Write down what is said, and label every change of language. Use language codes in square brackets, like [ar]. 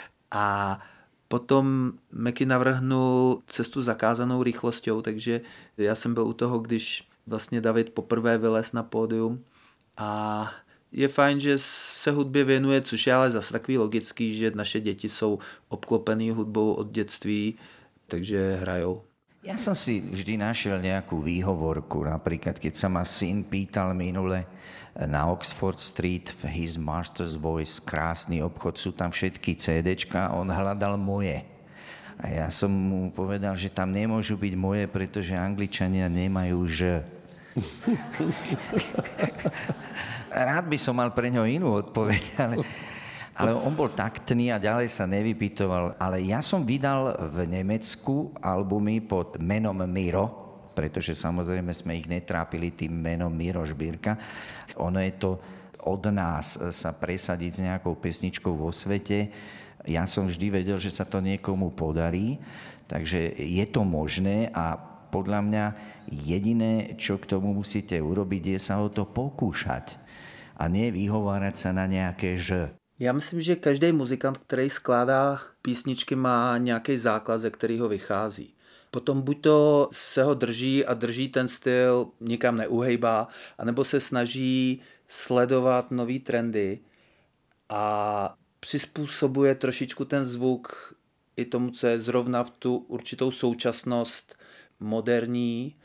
[cs] A potom Mackie navrhnul cestu zakázanou rychlostí, takže já jsem byl u toho, když vlastně David poprvé vylez na pódium. A je fajn, že se hudbě věnuje, což je ale zase takový logický, že naše děti jsou obklopený hudbou od dětství, takže hrajou. [sk] Ja som si vždy našiel nejakú výhovorku, napríklad keď sa ma syn pýtal minule na Oxford Street v His Master's Voice, krásny obchod, sú tam všetky CDčka, on hľadal moje. A ja som mu povedal, že tam nemôžu byť moje, pretože Angličania nemajú Ž. Rád by som mal pre ňo inú odpoveď, ale on bol taktný a ďalej sa nevypytoval. Ale ja som vydal v Nemecku albumy pod menom Miro, pretože samozrejme sme ich netrápili tým menom Miro Žbírka. Ono je to od nás sa presadiť s nejakou pesničkou vo svete. Ja som vždy vedel, že sa to niekomu podarí, takže je to možné a podľa mňa jediné, čo k tomu musíte urobiť, je sa o to pokúšať a nie vyhovárať sa na nejaké Ž. [cs] Já myslím, že každý muzikant, který skládá písničky, má nějaký základ, ze kterého vychází. Potom buď to se ho drží a drží ten styl, nikam neuhejbá, anebo se snaží sledovat nový trendy a přizpůsobuje trošičku ten zvuk i tomu, co je zrovna v tu určitou současnost moderní.